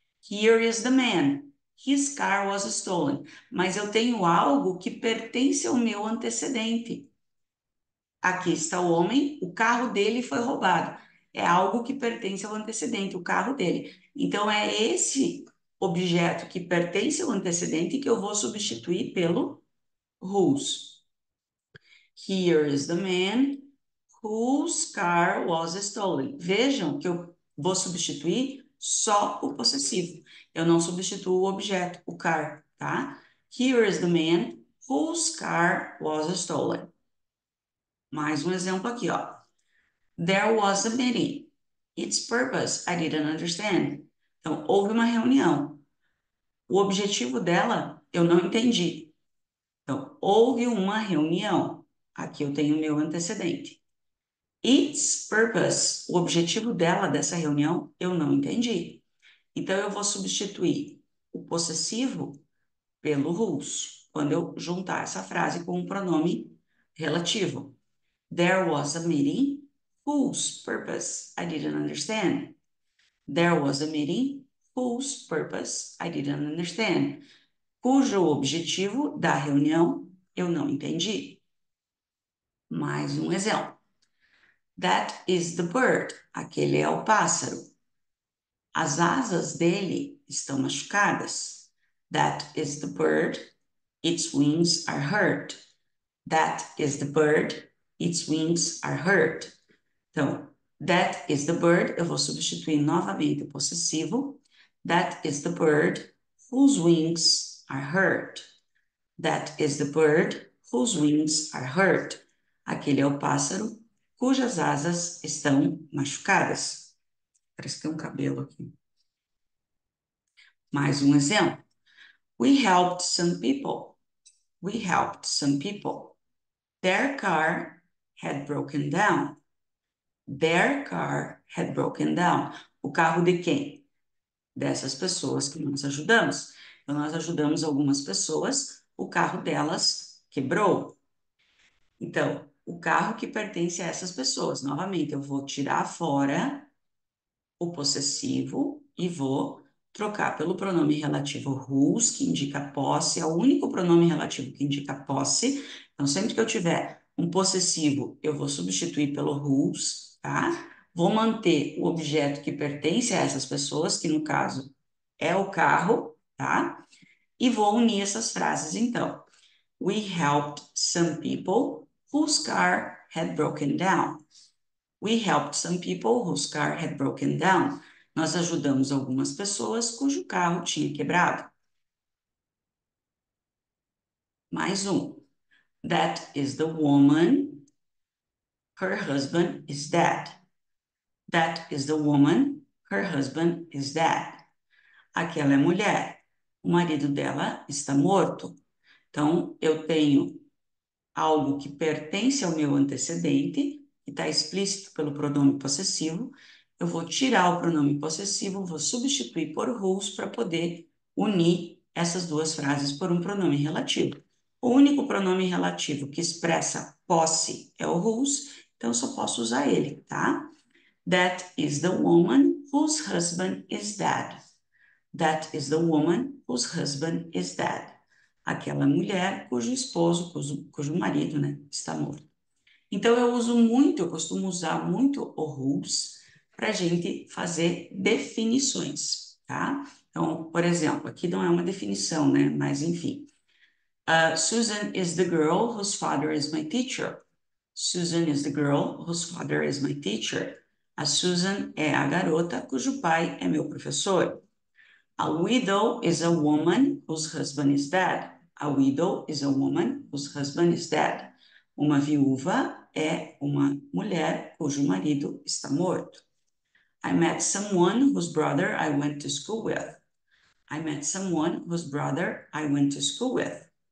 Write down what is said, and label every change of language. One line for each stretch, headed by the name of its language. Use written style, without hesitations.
English: Here is the man. His car was stolen.
Portuguese: Mas eu tenho algo que pertence ao meu antecedente. Aqui está o homem, o carro dele foi roubado. É algo que pertence ao antecedente, o carro dele. Então, é esse objeto que pertence ao antecedente que eu vou substituir pelo whose.
English: Here is the man whose car was stolen.
Portuguese: Vejam que eu vou substituir só o possessivo. Eu não substituo o objeto, o car, tá?
English: Here is the man whose car was stolen.
Portuguese: Mais um exemplo aqui, ó.
English: There was a meeting. Its purpose, I didn't understand.
Portuguese: Então, houve uma reunião. O objetivo dela, eu não entendi. Então, houve uma reunião. Aqui eu tenho o meu antecedente.
English: Its purpose,
Portuguese: o objetivo dela, dessa reunião, eu não entendi. Então, eu vou substituir o possessivo pelo whose, quando eu juntar essa frase com um pronome relativo.
English: There was a meeting whose purpose I didn't understand. There was a meeting whose purpose I didn't understand.
Portuguese: Cujo objetivo da reunião eu não entendi. Mais um exemplo.
English: That is the bird.
Portuguese: Aquele é o pássaro. As asas dele estão machucadas.
English: That is the bird. Its wings are hurt. That is the bird. Its wings are hurt. Então, that is the bird.
Portuguese: Eu vou substituir novamente o possessivo.
English: That is the bird whose wings are hurt. That is the bird whose wings are hurt.
Portuguese: Aquele é o pássaro cujas asas estão machucadas. Parece que tem um cabelo aqui. Mais um exemplo.
English: We helped some people. We helped some people. Their car had broken down. Their car had broken down.
Portuguese: O carro de quem? Dessas pessoas que nós ajudamos. Então, nós ajudamos algumas pessoas, o carro delas quebrou. Então, o carro que pertence a essas pessoas. Novamente, eu vou tirar fora o possessivo e vou trocar pelo pronome relativo whose, que indica posse, é o único pronome relativo que indica posse. Então, sempre que eu tiver um possessivo, eu vou substituir pelo whose, tá? Vou manter o objeto que pertence a essas pessoas, que no caso é o carro, tá? E vou unir essas frases, então.
English: We helped some people whose car had broken down. We helped some people whose car had broken down.
Portuguese: Nós ajudamos algumas pessoas cujo carro tinha quebrado. Mais um.
English: That is the woman. Her husband is dead. That is the woman. Her husband is dead.
Portuguese: Aquela é mulher. O marido dela está morto. Então, eu tenho algo que pertence ao meu antecedente e está explícito pelo pronome possessivo, eu vou tirar o pronome possessivo, vou substituir por whose para poder unir essas duas frases por um pronome relativo. O único pronome relativo que expressa posse é o whose, então eu só posso usar ele, tá?
English: That is the woman whose husband is dead. That is the woman whose husband is dead.
Portuguese: Aquela mulher cujo esposo, cujo marido, né, está morto. Então, eu uso muito, eu costumo usar muito o whose para a gente fazer definições, tá? Então, por exemplo, aqui não é uma definição, né? Mas, enfim.
English: Susan is the girl whose father is my teacher. Susan is the girl whose father is my teacher.
Portuguese: A Susan é a garota cujo pai é meu professor.
English: A widow is a woman whose husband is dead. A widow is a woman whose husband is dead.
Portuguese: Uma viúva é uma mulher cujo marido está morto.
English: I met someone whose brother I went to school with. I met someone whose brother I went to school with.